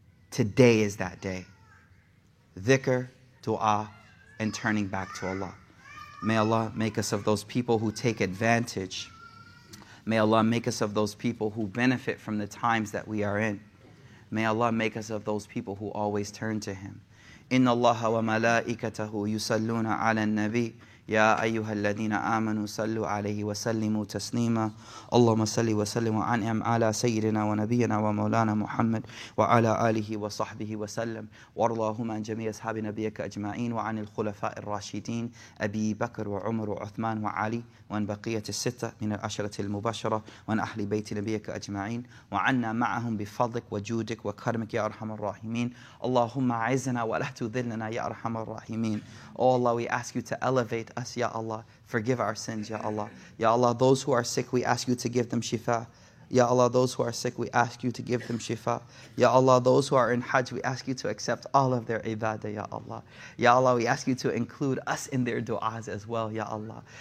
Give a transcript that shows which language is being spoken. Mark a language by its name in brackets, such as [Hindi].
[English] Today is that day. Dhikr, dua, and turning back to Allah. May Allah make us of those people who take advantage. May Allah make us of those people who benefit from the times that we are in. May Allah make us of those people who always turn to Him. [Arabic] إن الله وملائكته يصلون على النبي يا أيها الذين آمنوا صلوا عليه وسلموا تسليما اللهم صل وسلم وأنعم على سيدنا ونبينا ومولانا محمد وعلى آله وصحبه وسلم وارضاهم عن جميع أصحاب نبيك أجمعين وعن الخلفاء الراشدين أبي بكر وعمر وعثمان وعلي وعن بقية الستة من العشرة المبشرة وعن أهل بيت نبيك أجمعين وعنا معهم بفضلك وجودك وكرمك يا أرحم الراحمين اللهم عزنا ولا تذلنا يا أرحم الراحمين. [English] Oh Allah, we ask you to elevate us, Ya Allah. Forgive our sins, Ya Allah. Ya Allah, those who are sick, we ask you to give them shifa. Ya Allah, those who are sick, we ask you to give them shifa. Ya Allah, those who are in hajj, we ask you to accept all of their ibadah, Ya Allah. Ya Allah, we ask you to include us in their du'as as well, Ya Allah.